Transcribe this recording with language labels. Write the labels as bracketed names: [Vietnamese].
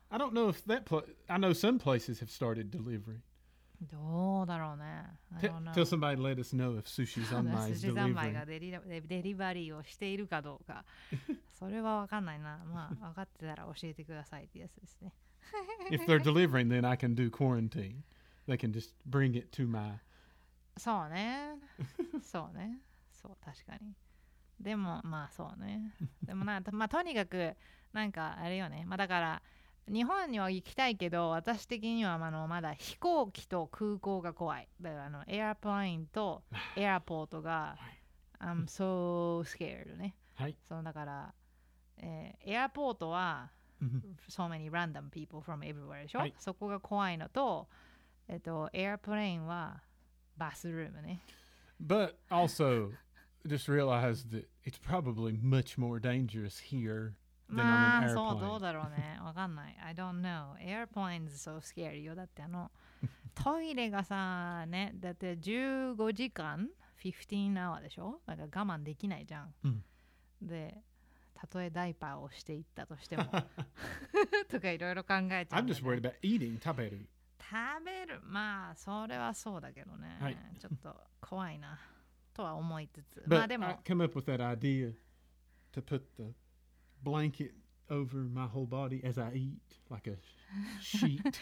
[English] I don't know if that place, I know some places have started delivery. [Japanese] どうだろうね。 [English] Tell somebody let us know if sushi zanmai is delivering. [Japanese] Sushi zanmai がデリバリーをしているかどうか。それはわかんないな。まあ、わかってたら教えてくださいってやつですね。 [English] If they're delivering, then I can do quarantine. They can just bring it to my... [Japanese] そうね。そうね。そう、確かに。でも、まあそうね。でもな、まあとにかく、なんかあれよね。まあだから、日本には行きたいけど、私的にはあのまだ飛行機と空港が怖い。だからあのエアプラインとエアポートが、はい、 [English] I'm so scared [Japanese] ね。はい。そのだから、エアポートは、 [English] so many random people from everywhere [Japanese] でしょ、はい、そこが怖いのと、エアプレインはバスルームね。 [English] But also, just realized that it's probably much more dangerous here. [Japanese] まあそうどうだろうね、わかんない。 [English] I don't know. Airplanes so scary [Japanese] よ。だってあのトイレがさね、だって15時間、15hour でしょ。なんか我慢できないじゃん。うん、で、たとえダイパーをしていったとしてもとかいろいろ考えちゃう、 [English] ね。I'm just worried about eating. [Japanese] 食べる。食べる。まあそれはそうだけどね。はい、ちょっと怖いなとは思いつつ。まあでも。 [English] But I came up with that idea to put the blanket over my whole body as I eat, like a sheet.